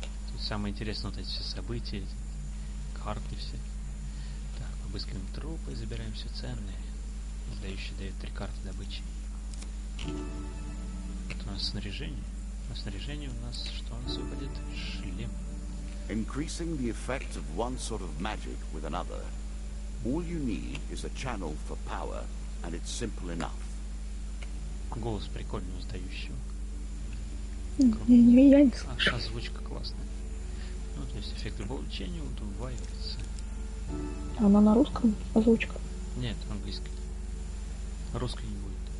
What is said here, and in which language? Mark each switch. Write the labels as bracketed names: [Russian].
[Russian] Тут самое интересное вот эти все события, карты все. Так, обыскиваем трупы, забираем все ценные. Сдающий дает 3 карты добычи. Тут у нас снаряжение. На снаряжение у нас что у нас выпадет? Шлем. [English] Increasing the effect of one sort of magic with another. All you need is a channel for power, and it's simple enough. [Russian] Голос прикольный у сдающего. Я не слышу. Озвучка классная. Ну, то есть эффект любого учения удваивается. Она на русском озвучка? Нет, английский. Русской не будет.